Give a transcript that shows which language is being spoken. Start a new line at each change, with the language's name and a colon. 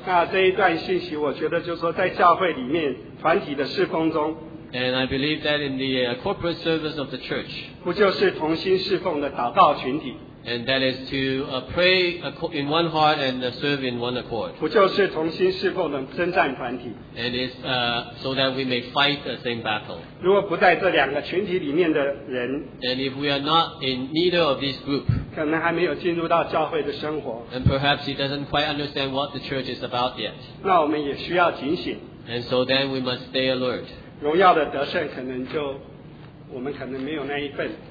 Chinese: 那这一段信息我觉得就是说在教会里面团体的侍奉中
English: And I believe that in the corporate service of the church,
Chinese: 不就是同心侍奉的祷告群体
English: And that is to pray in one heart and serve in one accord.
Chinese: 不就是同心侍奉的征战团体
English: And it's so that we may fight the same battle.
Chinese: 如果不在这两个群体里面的人
English: And if we are not in neither of these groups,
Chinese: 可能还没有进入到教会的生活
English: And perhaps he doesn't quite understand what the church is about yet.
Chinese: 那我们也需要警醒
English: And so then we must stay alert.
Chinese: 荣耀的得胜可能就我们可能没有那一份